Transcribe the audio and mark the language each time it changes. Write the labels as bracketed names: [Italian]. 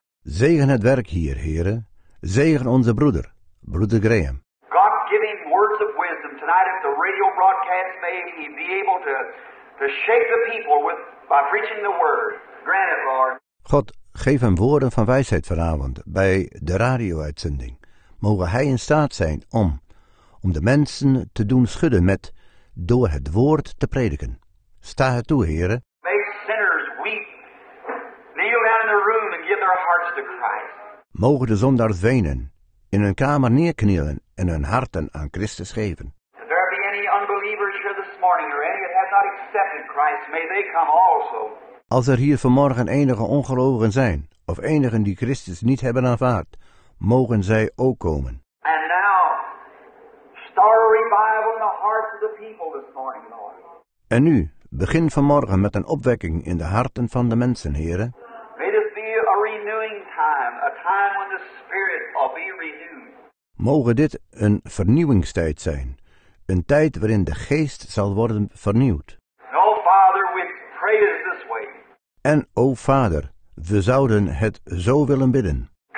[Dutch] Zegen het werk hier, Heere. Zegen onze broeder, Broeder Graham. [English] God give him words of wisdom tonight at the radio broadcast. May he be able to shake the people with by preaching the word. Grant it, Lord. [Dutch] God, geef hem woorden van wijsheid vanavond bij de radio-uitzending. Mogen hij in staat zijn om de mensen te doen schudden met door het woord te prediken. Sta het toe, Heere. [English] Make sinners weep. Kneel down in their room and give their hearts to Christ. [Dutch] Mogen de zondaars wenen, in hun kamer neerknielen en hun harten aan Christus geven. [English] If there be any unbelievers here this morning or any that have not accepted Christ, may they come also. [Dutch] Als er hier vanmorgen enige ongelovigen zijn, of enigen die Christus niet hebben aanvaard, mogen zij ook komen. [English] And now, start a revival in the hearts of the people this morning, Lord. [Dutch] En nu, begin vanmorgen met een opwekking in de harten van de mensen, Heere. [English] May this be a renewing time, a time when the Spirit will be renewed. [Dutch] Mogen dit een vernieuwingstijd zijn, een tijd waarin de geest zal worden vernieuwd. [English] No, Father, we pray it this way. [Dutch] En, o Vader, we zouden het zo willen bidden.